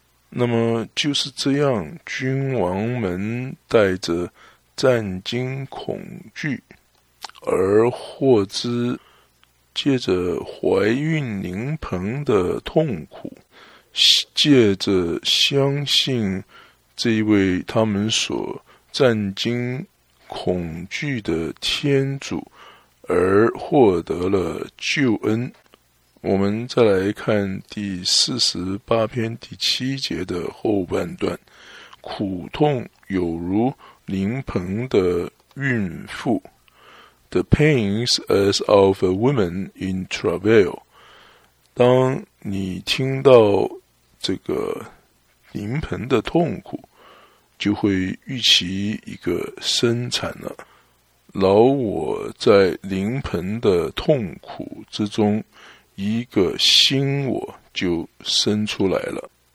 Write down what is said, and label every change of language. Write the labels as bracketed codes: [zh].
[zh] 那么就是这样，君王们带着战惊恐惧而获知，借着怀孕临盆的痛苦，借着相信这一位他们所战惊恐惧的天主，而获得了救恩。我们再来看第48篇第七节的后半段，苦痛有如临盆的孕妇。 [en] The pains as of a woman in travail。 [zh] 当你听到这个临盆的痛苦，就会预期一个生产了。劳我在临盆的痛苦之中，一个新我就生出来了。